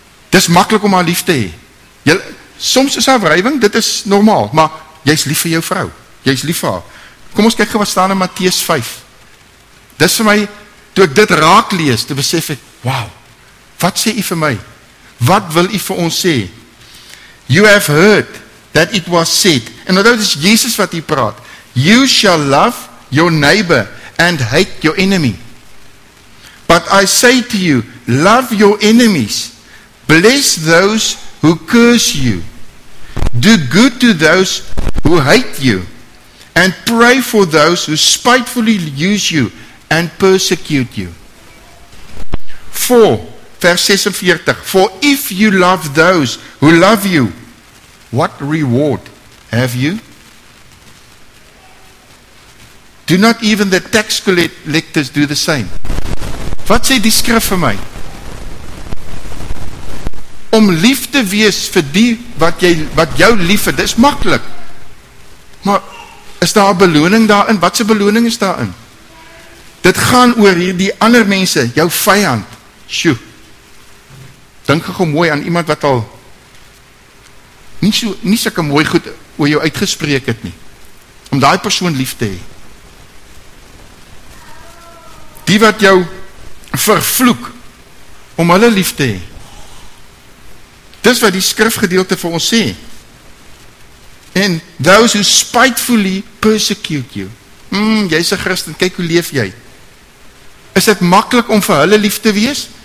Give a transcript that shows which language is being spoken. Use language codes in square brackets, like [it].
[af] Dis makkelijk om haar lief te hee. Soms is haar wrijving, dit is normaal, maar jy is lief vir jou vrou, jy is lief vir haar. Kom ons kyk wat staan in Matteus 5. Dis vir my, toe ek dit raak lees, te besef ek, wow, wat sê u vir my? Wat wil u vir ons sê? [en] You have heard that it was said, [af] en nou dat is Jesus wat hier praat, [en] you shall love your neighbor and hate your enemy. But I say to you, love your enemies, bless those who curse you, do good to those who hate you, and pray for those who spitefully use you and persecute you. 4, verse 46, for if you love those who love you, what reward have you? Do not even the tax collectors do the same? [af] Wat sê die skrif vir my? Om lief te wees vir die wat jy, wat jou lief het, dis makkelijk. Maar is daar een beloning daarin? Wat se beloning is daarin? Dit gaan oor hierdie ander mense, jou vijand. Sjoe. Dink gou mooi aan iemand wat al nie so, nie sulke mooi goed oor jou uitgespreek het nie. Om daai persoon lief te hê. Die wat jou vervloek om hulle lief te hê. Dis wat die skrifgedeelte vir ons sê. En [en] those who spitefully persecute you. [af] Jy's 'n Christen, kyk hoe leef jy. Is dit maklik om vir hulle lief te wees?